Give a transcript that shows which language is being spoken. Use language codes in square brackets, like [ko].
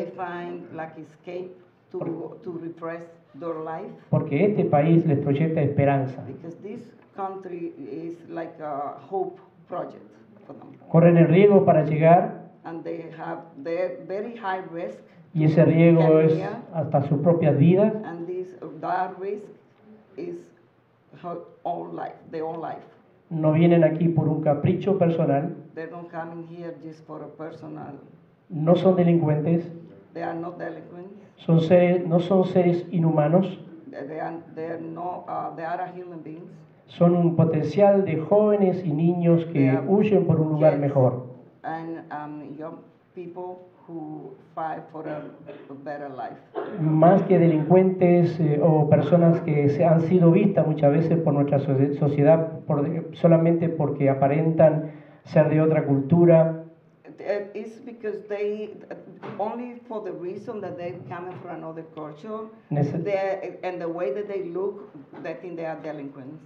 [en] They find, like, escape to refresh their life. [es] Porque este país les proyecta esperanza. [en] Because this country is like a hope project for them. [es] Corren el riesgo para llegar. [en] And they have their very high risk. [es] Y ese riesgo es hasta su propia vida. [en] And this that risk is her own life, their own life. [es] No vienen aquí por un capricho personal. [en] They don't come here just for a personal. [es] No son delincuentes. [en] They are not delinquent. [es] No son seres inhumanos. [en] They are human beings. [es] Son un potencial de jóvenes y niños que huyen por un lugar mejor. [en] And young people who fight for a better life. [es] Más que delincuentes o personas que se han sido vistas muchas veces por nuestra sociedad solamente porque aparentan ser de otra cultura. [en] It's because they only for the reason that they come from another culture. And the way that they look, they think they are delinquents.